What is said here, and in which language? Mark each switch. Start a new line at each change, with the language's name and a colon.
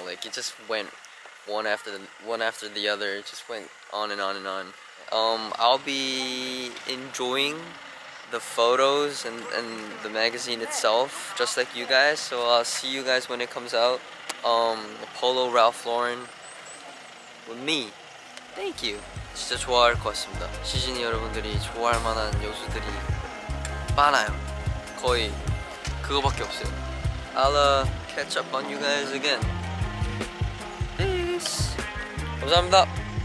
English: Like, it just went one after the other, it just went on and on and on. I'll be enjoying the photos and the magazine itself, just like you guys. So I'll see you guys when it comes out. Polo Ralph Lauren. With me. Thank you.
Korean: 진짜 좋아할 것 같습니다. 시즌이 여러분들이 좋아할 만한 요소들이 많아요. 거의 그거밖에 없어요.
English: I'll catch up on you guys again. Peace.
Korean: 감사합니다.